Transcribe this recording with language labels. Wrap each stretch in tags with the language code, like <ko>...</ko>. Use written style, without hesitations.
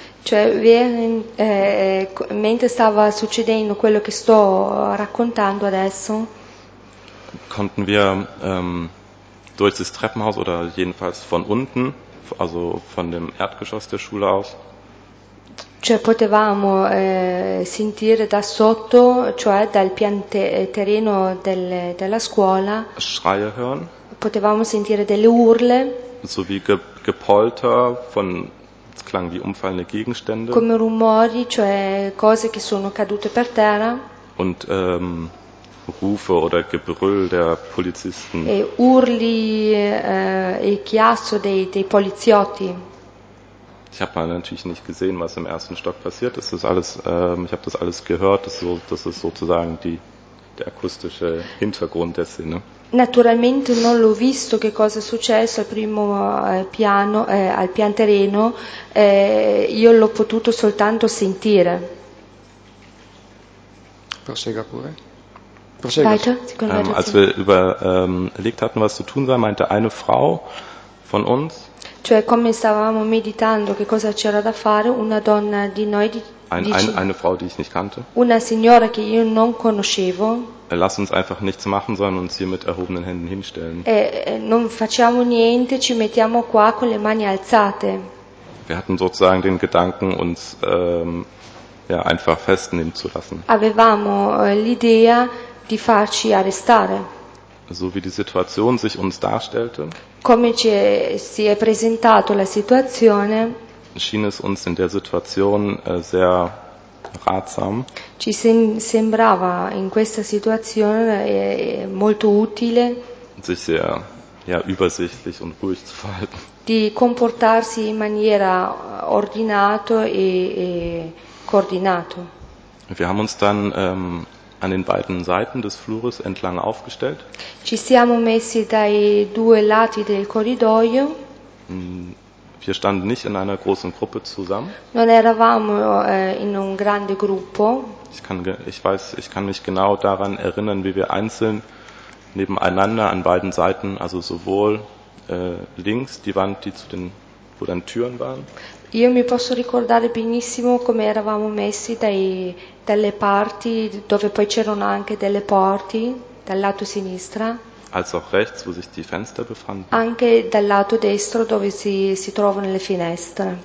<it>Cioè, mentre stava succedendo quello che sto raccontando adesso.</it> <de>Konnten wir durch das Treppenhaus oder jedenfalls von unten, also von dem Erdgeschoss der Schule aus.</de> <it>Cioè, potevamo sentire da sotto, cioè dal pian terreno della scuola.</it> <de>Schreie hören.</de> <it>Potevamo sentire delle urle.</it> <de>So wie Gepolter von, es klang wie umfallende Gegenstände.</de> <it>Come rumori, cioè cose che sono cadute per terra.</it> <de>Und Rufe oder Gebrüll der Polizisten.</de> <it>E urli e chiasso dei poliziotti.</it> <de>Ich habe natürlich nicht gesehen, was im ersten Stock passiert ist. Das alles, ich habe das alles gehört. Das ist sozusagen die der akustische Hintergrund der Szene.</de> <it>Naturalmente non l'ho visto che cosa è successo al primo piano, al pian terreno, io l'ho potuto soltanto sentire. Prosegga pure.</it> <de>Als wir überlegt hatten, was zu tun war, meinte eine Frau von uns,</de> <it>cioè come stavamo meditando che cosa c'era da fare, una donna di noi</it> <de>eine Frau, die ich nicht kannte,</de> <it>una signora che io non conoscevo,</it> <de>lass uns einfach nichts machen, sondern uns hier mit erhobenen Händen hinstellen.</de> <it>Non facciamo niente, ci mettiamo qua con le mani alzate.</it> <de>Wir hatten sozusagen den Gedanken, uns einfach festnehmen zu lassen.</de> <it>Avevamo l'idea di farci arrestare.</it> <de>So wie die Situation sich uns darstellte,</de> <it>come ci si è presentato la situazione,</it> <de>schien es uns in der Situation sehr ratsam,</de> <it>ci sembrava in questa situazione molto utile,</it> <de>sich sehr übersichtlich und ruhig zu verhalten,</de> <it>di comportarsi in maniera ordinato e coordinato.</it> <de>Wir haben uns dann an den beiden Seiten des Flures entlang aufgestellt.</de> <it>Ci siamo messi dai due lati del corridoio.</it> <de>Wir standen nicht in einer großen Gruppe zusammen.</de> <it>Non eravamo in un grande gruppo.</it> <de>Ich kann mich genau daran erinnern, wie wir einzeln nebeneinander an beiden Seiten, also sowohl links die Wand, die zu den wo dann Türen waren.</de> <it>Io mi posso ricordare benissimo come eravamo messi dalle parti dove poi c'erano anche delle porte dal lato sinistra.</it> <de>Als auch rechts, wo sich die Fenster befanden.</de> <it>Anche dal lato destro dove si trovano le finestre.</it>